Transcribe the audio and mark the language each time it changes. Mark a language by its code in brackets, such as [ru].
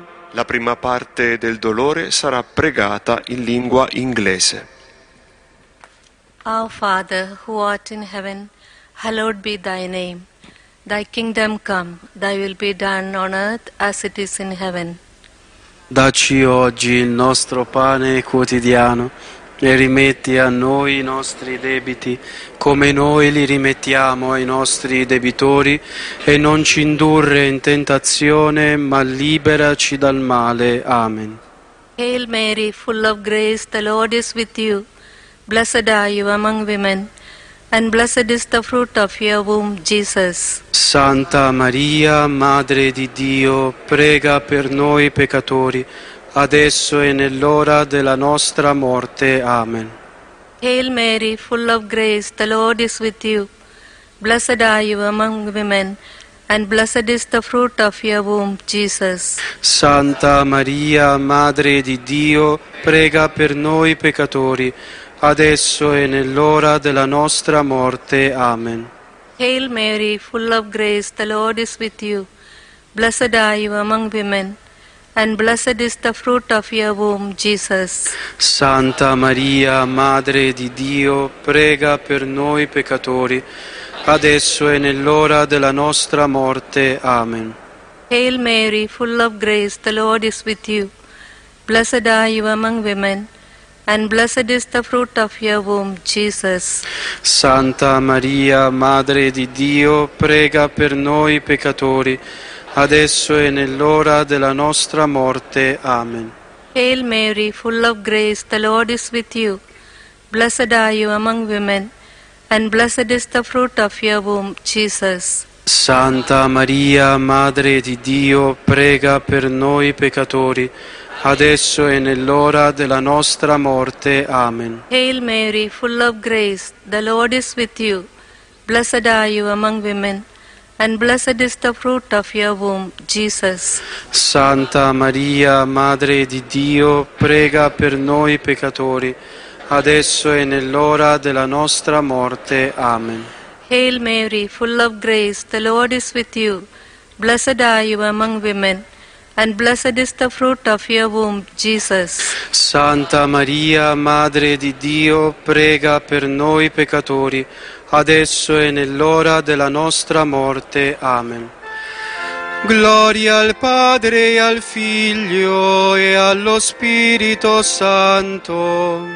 [it] La prima parte del dolore sarà pregata in lingua inglese. [en] Our Father, who art in heaven, hallowed be thy name. Thy kingdom come, thy will be done on earth as it is in heaven. [it] Dacci oggi il nostro pane quotidiano e rimetti a noi i nostri debiti, come noi li rimettiamo ai nostri debitori, e non ci indurre in tentazione, ma liberaci dal male. Amen. [en] Hail Mary, full of grace, the Lord is with you. Blessed are you among women, and blessed is the fruit of your womb, Jesus. [it] Santa Maria, Madre di Dio, prega per noi peccatori, adesso è nell'ora della nostra morte. Amen. [en] Hail Mary, full of grace, the Lord is with you. Blessed are you among women, and blessed is the fruit of your womb, Jesus. [it] Santa Maria, Madre di Dio, prega per noi peccatori, adesso è nell'ora della nostra morte. Amen. [en] Hail Mary, full of grace, the Lord is with you. Blessed are you among women, and blessed is the fruit of your womb, Jesus. [it] Santa Maria, Madre di Dio, prega per noi peccatori, adesso è nell'ora della nostra morte. Amen. [en] Hail Mary, full of grace, the Lord is with you. Blessed are you among women, and blessed is the fruit of your womb, Jesus. [it] Santa Maria, Madre di Dio, prega per noi peccatori, adesso è nell'ora della nostra morte. Amen. [en] Hail Mary, full of grace, the Lord is with you. Blessed are you among women, and blessed is the fruit of your womb, Jesus. [it] Santa Maria, Madre di Dio, prega per noi peccatori, adesso è nell'ora della nostra morte. Amen. [en] Hail Mary, full of grace, the Lord is with you. Blessed are you among women, and blessed is the fruit of your womb, Jesus. [it] Santa Maria, Madre di Dio, prega per noi peccatori, adesso è nell'ora della nostra morte. Amen. [en] Hail Mary, full of grace, the Lord is with you. Blessed are you among women, and blessed is the fruit of your womb, Jesus. [it] Santa Maria, Madre di Dio, prega per noi peccatori, adesso è nell'ora della nostra morte. Amen. Gloria al Padre, al Figlio e allo Spirito Santo,